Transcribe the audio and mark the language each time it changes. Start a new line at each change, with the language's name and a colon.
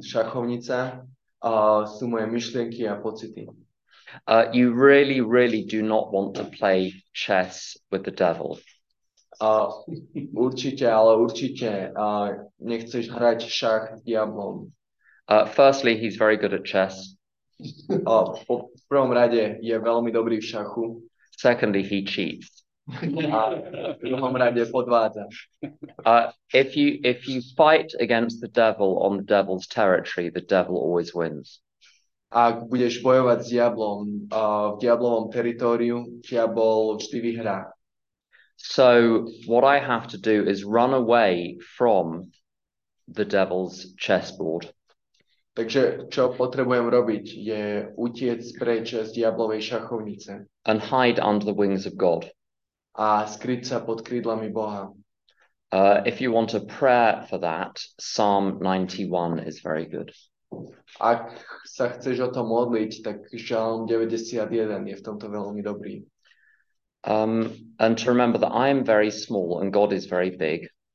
Slovak: Šachovnica sú moje myšlienky a pocity.
English: You really, really do not want to play chess with the devil.
Slovak: Určite, ale určite nechceš hrať šach s diablom.
English: Firstly, he's very good at chess.
Slovak: Po prvom rade je veľmi dobrý v šachu.
English: Secondly, he cheats.
Slovak: V druhom rade podvádza.
English: If you fight against the devil on the devil's territory, the devil always wins.
Slovak: Ak budeš bojovať s diablom v diablovom teritóriu, diabol vždy vyhrá.
English: So what I have to do is run away from the devil's chessboard.
Slovak: Takže čo potrebujem robiť je utiec preč z diablovej šachovnice.
English: And hide under the wings of God.
Slovak: A skryť sa pod krídlami Boha.
English: If you want a prayer for that, Psalm 91 is very good.
Slovak: Ak sa chceš o to modliť, tak Žalm 91 je v tomto veľmi dobrý.
English: And to remember that I am very small and God is very big.